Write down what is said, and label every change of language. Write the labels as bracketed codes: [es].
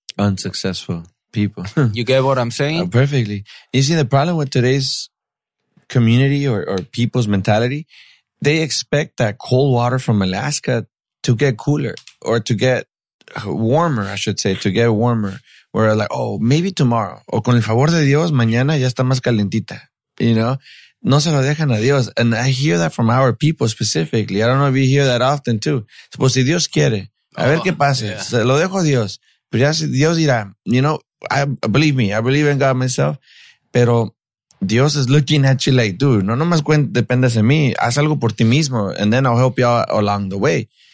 [en] unsuccessful people. You get what I'm saying? Perfectly. You see, the problem with today's community or people's mentality, they expect that cold water from Alaska to get cooler or to get warmer, I should say, to get warmer. Where like, oh, maybe tomorrow. [es] O con el favor de Dios, mañana ya está más calentita. [en] You know? [es] No se lo dejan a Dios. [en] And I hear that from our people specifically. I don't know if you hear that often too. [es] Pues si Dios quiere, a ver qué pasa. [en] Yeah. [es] Se lo dejo a Dios. Pero ya Dios dirá, [en] you know, I believe in God myself. [es] Pero [en] Dios is looking at you like, dude, [es] no nomás dependes de mí. Haz algo por ti mismo. [en] And then I'll help you out along the way.